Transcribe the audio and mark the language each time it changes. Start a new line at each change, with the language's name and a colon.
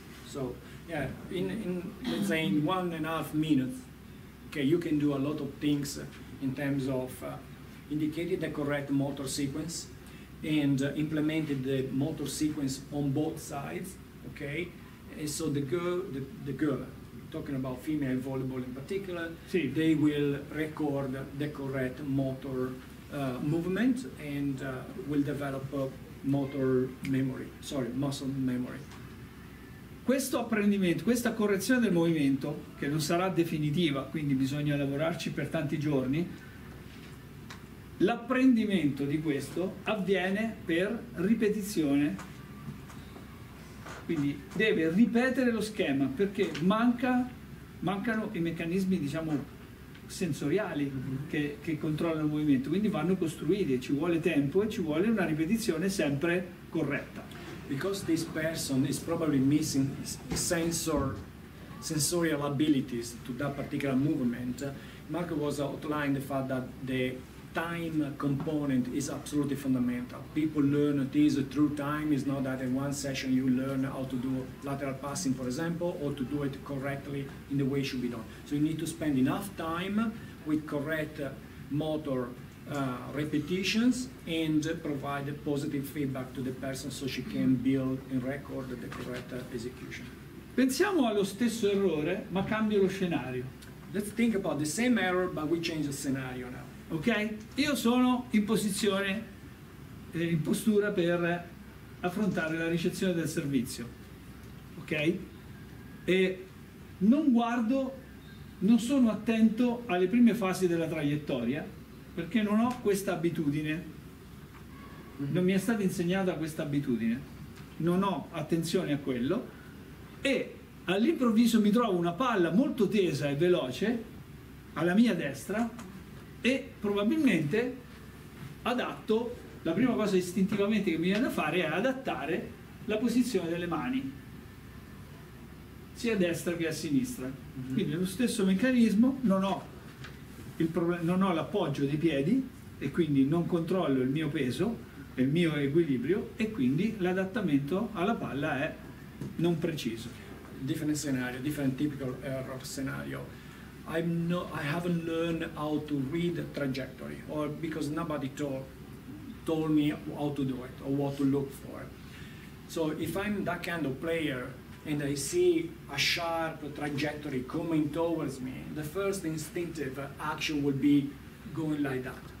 English: So, yeah, in let's say in 1.5 minutes, okay, you can do a lot of things in terms of indicating the correct motor sequence and implemented the motor sequence on both sides, okay? And so the girl, talking about female volleyball in particular,
Italian: sì,
English: they will record the correct motor movement and will develop a motor memory, sorry, muscle memory.
Italian: Questo apprendimento, questa correzione del movimento, che non sarà definitiva, quindi bisogna lavorarci per tanti giorni, l'apprendimento di questo avviene per ripetizione, quindi deve ripetere lo schema perché mancano i meccanismi, diciamo, sensoriali che controllano il movimento, quindi vanno costruiti, ci vuole tempo e ci vuole una ripetizione sempre corretta.
English: Because this person is probably missing sensorial abilities to that particular movement, Marco was outlining the fact that the time component is absolutely fundamental. People learn this through time. It's not that in one session you learn how to do lateral passing, for example, or to do it correctly in the way it should be done. So you need to spend enough time with correct motor repetitions and provide a positive feedback to the person so she can build and record the correct execution.
Italian: Pensiamo allo stesso errore, ma cambio lo scenario.
English: Let's think about the same error, but we change the scenario now. Ok?
Italian: Io sono in posizione, in postura per affrontare la ricezione del servizio. Ok? E non guardo, non sono attento alle prime fasi della traiettoria, perché non ho questa abitudine. Non mi è stata insegnata questa abitudine. Non ho attenzione a quello. E all'improvviso mi trovo una palla molto tesa e veloce alla mia destra e probabilmente adatto, la prima cosa istintivamente che mi viene da fare è adattare la posizione delle mani sia a destra che a sinistra. Quindi è lo stesso meccanismo, non ho il problema, non ho l'appoggio dei piedi e quindi non controllo il mio peso e il mio equilibrio e quindi l'adattamento alla palla è non preciso.
English: Different scenario, different typical error scenario. I haven't learned how to read trajectory, or because nobody told me how to do it or what to look for. So if I'm that kind of player and I see a sharp trajectory coming towards me, the first instinctive action will be going like that.